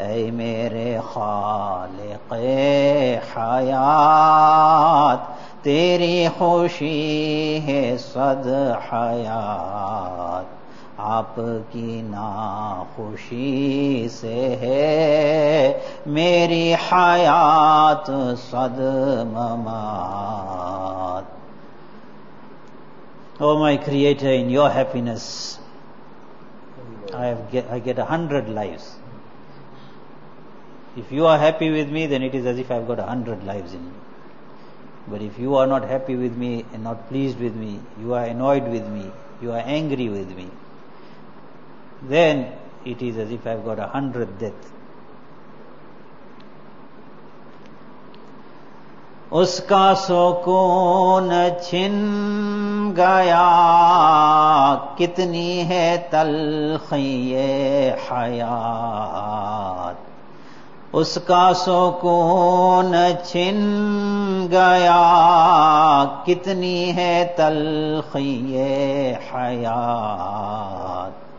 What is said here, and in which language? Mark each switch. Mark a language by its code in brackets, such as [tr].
[ur] اے میرے خالق حیات، تیری خوشی ہے صد حیات، آپ کی ناخوشی سے ہے میری حیات صد ممات. [en] Oh my creator, in your happiness I get 100 lives. If you are happy with me, then it is as if I've got 100 lives in me. But if you are not happy with me and not pleased with me, you are annoyed with me, you are angry with me, then it is as if I've got 100 death. [ur] اس کا سکون چھن گیا، کتنی ہے تلخ یہ حیات. اس کا سکون چھن گیا، کتنی ہے تلخ یہ حیات.